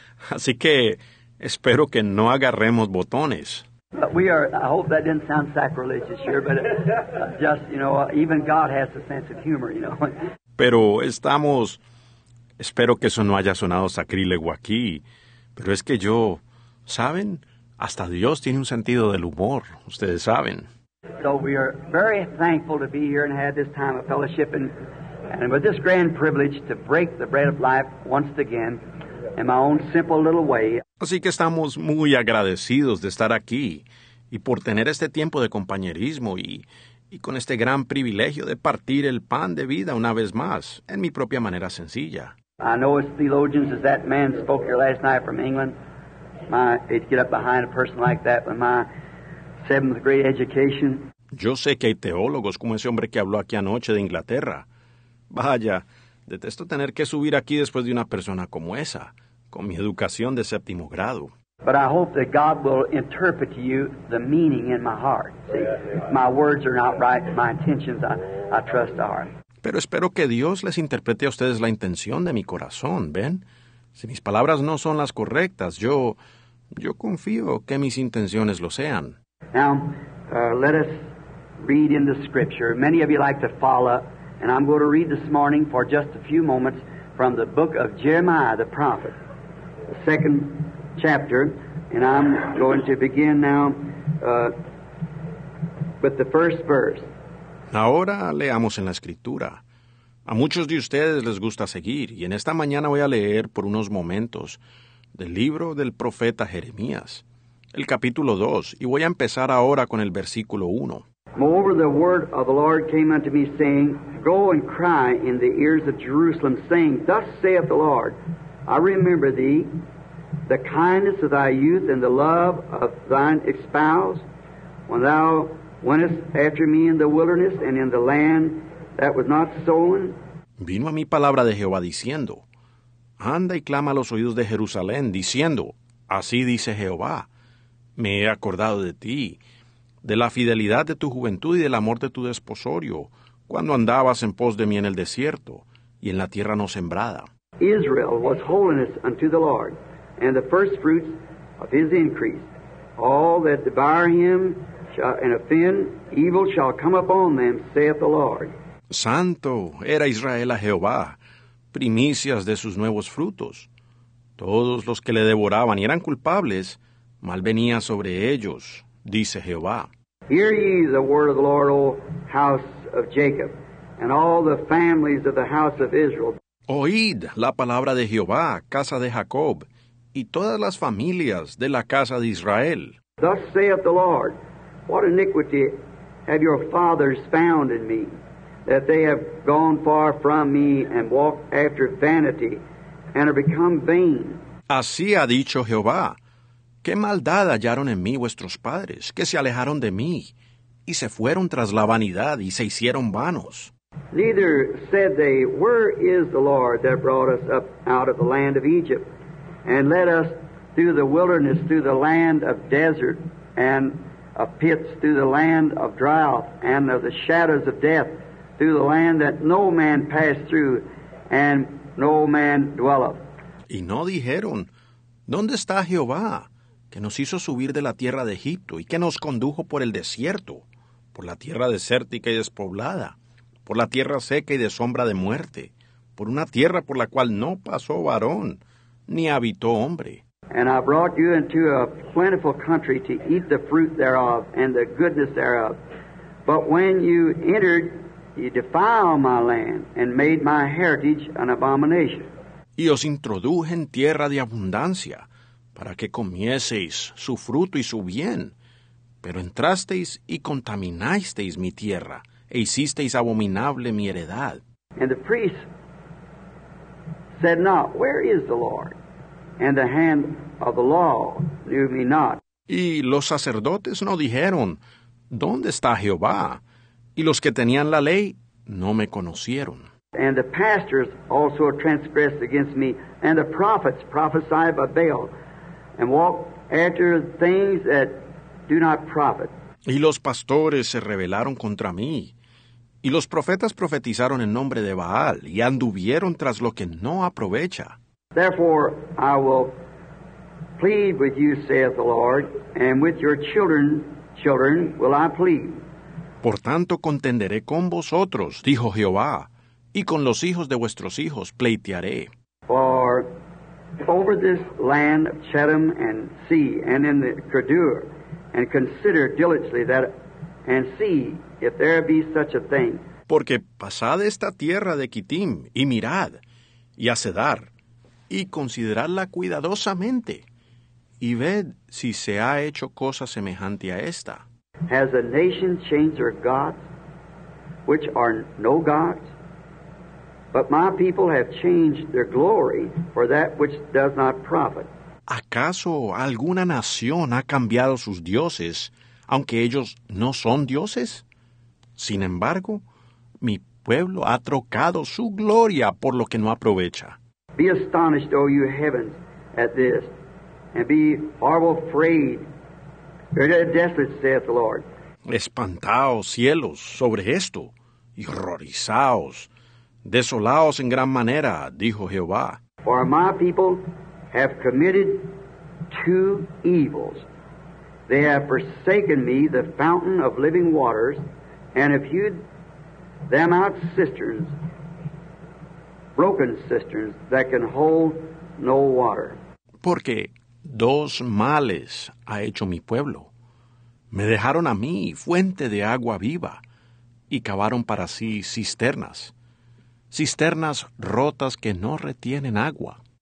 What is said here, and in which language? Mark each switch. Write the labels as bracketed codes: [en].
[es] Así que espero que no agarremos botones. [en] But we are, I hope that didn't sound sacrilegious, sure, but just, you know, even God has a sense of humor, you know. [es] Pero estamos, espero que eso no haya sonado sacrílego aquí. Pero es que yo, ¿saben? Hasta Dios tiene un sentido del humor, ustedes saben. [en] So we are very thankful to be here and have this time of fellowship and with this grand privilege to break the bread of life once again in my own simple little way. [es] Así que estamos muy agradecidos de estar aquí y por tener este tiempo de compañerismo y con este gran privilegio de partir el pan de vida una vez más en mi propia manera sencilla. [en] I know as theologians as that man spoke here last night from England, my, it'd get up behind a person like that with my seventh grade education. [es] Yo sé que hay teólogos como ese hombre que habló aquí anoche de Inglaterra. Vaya, detesto tener que subir aquí después de una persona como esa, con mi educación de séptimo grado. [en] But I hope that God will interpret to you the meaning in my heart. See, my words are not right, my intentions I trust are. [es] Pero espero que Dios les interprete a ustedes la intención de mi corazón, ¿ven? Si mis palabras no son las correctas, yo confío que mis intenciones lo sean. [en] Now, let us read in the scripture. Many of you like to follow, and I'm going to read this morning for just a few moments from the book of Jeremiah, the prophet, the second chapter, and I'm going to begin now with the first verse. [es] Ahora leamos en la Escritura. A muchos de ustedes les gusta seguir, y en esta mañana voy a leer por unos momentos del libro del profeta Jeremías, el capítulo 2, y voy a empezar ahora con el versículo 1. [en] Moreover, the word of the Lord came unto me, saying, go and cry in the ears of Jerusalem, saying, thus saith the Lord, I remember thee, the kindness of thy youth and the love of thine espoused, when thou wentest after me in the wilderness and in the land that was not sown. [es] Vino a mí palabra de Jehová diciendo, anda y clama a los oídos de Jerusalén, diciendo, así dice Jehová, me he acordado de ti, de la fidelidad de tu juventud y del amor de tu desposorio, cuando andabas en pos de mí en el desierto y en la tierra no sembrada. [en] Israel was holiness unto the Lord, and the first fruits of his increase. All that devour him shall, and offend, evil shall come upon them, saith the Lord. [es] Santo era Israel a Jehová, primicias de sus nuevos frutos. Todos los que le devoraban y eran culpables, mal venía sobre ellos, dice Jehová. [en] Hear ye the word of the Lord, O house of Jacob, and all the families of the house of Israel. [es] Oíd la palabra de Jehová, casa de Jacob, y todas las familias de la casa de Israel. [en] Thus saith the Lord, what iniquity have your fathers found in me, that they have gone far from me and walked after vanity and are become vain? [es] Así ha dicho Jehová, ¿qué maldad hallaron en mí vuestros padres, que se alejaron de mí y se fueron tras la vanidad y se hicieron vanos? [en] Neither said they, where is the Lord that brought us up out of the land of Egypt and led us through the wilderness, through the land of desert and of pits, through the land of drought and of the shadows of death, through the land that no man passed through and no man dwelleth? [es] Y no dijeron, ¿dónde está Jehová, que nos hizo subir de la tierra de Egipto y que nos condujo por el desierto, por la tierra desértica y despoblada, por la tierra seca y de sombra de muerte, por una tierra por la cual no pasó varón ni habitó hombre? [en] And I brought you into a plentiful country to eat the fruit thereof and the goodness thereof. But when you entered, you defiled my land and made my heritage an abomination. [es] Y os introduje en tierra de abundancia para que comieseis su fruto y su bien. Pero entrasteis y contaminasteis mi tierra e hicisteis abominable mi heredad. [en] And the priest said not, where is the Lord? And the hand of the law knew me not. [es] Y los sacerdotes no dijeron, ¿dónde está Jehová? Y los que tenían la ley no me conocieron. [en] And the pastors also transgressed against me, and the prophets prophesied by Baal, and walked after things that do not profit. [es] Y los pastores se rebelaron contra mí, y los profetas profetizaron en nombre de Baal, y anduvieron tras lo que no aprovecha. [en] Therefore, I will plead with you, saith the Lord, and with your children will I plead. [es] Por tanto, contenderé con vosotros, dijo Jehová, y con los hijos de vuestros hijos pleitearé. [en] For over this land of Chedom and see, and in the Kedur, and consider diligently that, and see if there be such a thing. [es] Porque pasad esta tierra de Kittim, y mirad, y acedar, y consideradla cuidadosamente, y ved si se ha hecho cosa semejante a esta. [en] Has a nation changed their gods, which are no gods? But my people have changed their glory for that which does not profit. [es] ¿Acaso alguna nación ha cambiado sus dioses, aunque ellos no son dioses? Sin embargo, mi pueblo ha trocado su gloria por lo que no aprovecha. [en] Be astonished, O you heavens, at this, and be horrible afraid. You're desolate, saith the Lord. [es] Espantaos, cielos, sobre esto, y horrorizaos, desolaos en gran manera, dijo Jehová. [en] For my people have committed two evils. They have forsaken me, the fountain of living waters, and have hewed them out cisterns, broken cisterns that can hold no water. [es] Porque dos males ha hecho mi pueblo. Me dejaron a mí fuente de agua viva y cavaron para sí cisternas, cisternas rotas que no retienen agua.